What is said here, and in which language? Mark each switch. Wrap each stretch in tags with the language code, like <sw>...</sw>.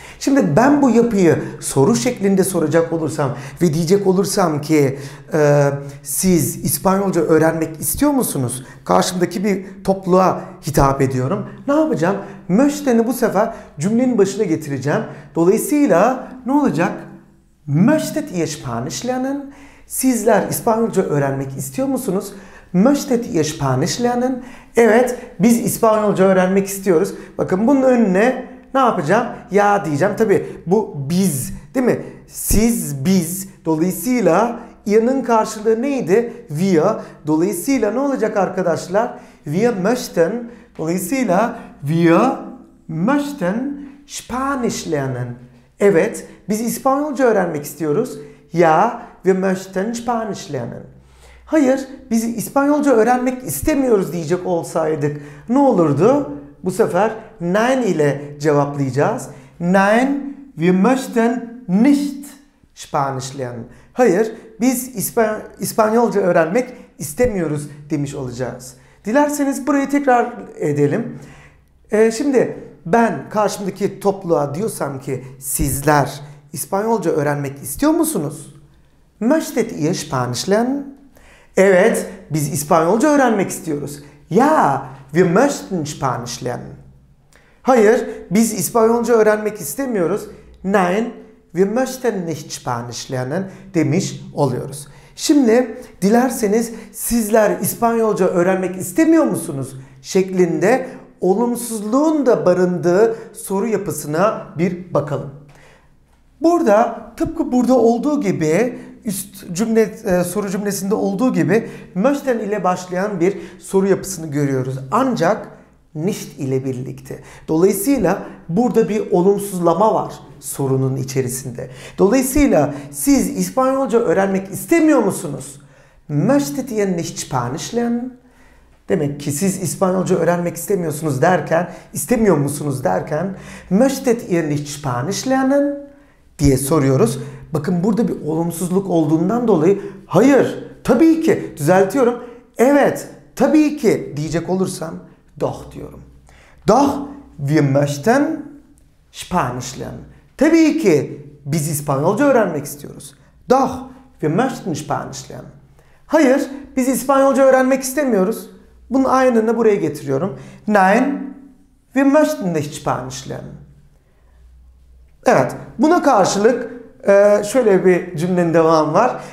<tr>Şimdi ben bu yapıyı soru şeklinde soracak olursam ve diyecek olursam ki siz İspanyolca öğrenmek istiyor musunuz? Karşımdaki bir topluluğa hitap ediyorum. Ne yapacağım? Möchten'i bu sefer cümlenin başına getireceğim. Dolayısıyla ne olacak?</tr> <de>Möchtet ihr Spanisch lernen?</de> <tr>Sizler İspanyolca öğrenmek istiyor musunuz?</tr> <de>Möchtet ihr Spanisch lernen?</de> <tr>Evet, biz İspanyolca öğrenmek istiyoruz. Bakın bunun önüne ne yapacağım? Ya diyeceğim. Tabii bu biz, değil mi? Siz, biz. Dolayısıyla ya'nın karşılığı neydi? Wir. Dolayısıyla ne olacak arkadaşlar?</tr> <de>Wir möchten.</de> <tr>Dolayısıyla</tr> <de>wir möchten Spanisch lernen.</de> <tr>Evet, biz İspanyolca öğrenmek istiyoruz.</tr> <de>Ya, wir möchten Spanisch lernen.</de> <tr>Hayır, biz İspanyolca öğrenmek istemiyoruz diyecek olsaydık ne olurdu? Bu sefer nein ile cevaplayacağız.</tr> <de>Nein, wir möchten nicht Spanisch lernen.</de> <tr>Hayır, biz İspanyolca öğrenmek istemiyoruz demiş olacağız. Dilerseniz burayı tekrar edelim. Şimdi ben karşımdaki topluluğa diyorsam ki sizler İspanyolca öğrenmek istiyor musunuz?</tr> <de>Möchtet ihr Spanisch lernen?</de> <tr>Evet, biz İspanyolca öğrenmek istiyoruz.</tr> <de>Ja, wir möchten Spanisch lernen.</de> <tr>Hayır, biz İspanyolca öğrenmek istemiyoruz.</tr> <de>Nein, Wir möchten nicht Spanisch lernen</de> <tr>demiş oluyoruz. Şimdi dilerseniz sizler İspanyolca öğrenmek istemiyor musunuz şeklinde olumsuzluğun da barındığı soru yapısına bir bakalım. Burada tıpkı burada olduğu gibi üst cümle soru cümlesinde olduğu gibi möchten ile başlayan bir soru yapısını görüyoruz. Ancak nicht ile birlikte. Dolayısıyla burada bir olumsuzlama var sorunun içerisinde. Dolayısıyla siz İspanyolca öğrenmek istemiyor musunuz?</tr> <de>Möchtet ihr nicht Spanisch lernen?</de> <tr>Demek ki siz İspanyolca öğrenmek istemiyorsunuz derken, istemiyor musunuz derken</tr> <de>möchtet ihr nicht Spanisch lernen</de> <tr>diye soruyoruz. Bakın burada bir olumsuzluk olduğundan dolayı hayır, tabii ki düzeltiyorum. Evet, tabii ki diyecek olursam doch diyorum.</tr> <de>Doch wir möchten Spanisch lernen.</de> <tr>Tabii ki biz İspanyolca öğrenmek istiyoruz.</tr> <de>Doch wir möchten Spanisch lernen.</de> <tr>Hayır, biz İspanyolca öğrenmek istemiyoruz. Bunun aynını buraya getiriyorum.</tr> <de>Nein, wir möchten nicht Spanisch lernen.</de> <tr>Evet, buna karşılık şöyle bir cümlenin devamı var.</tr>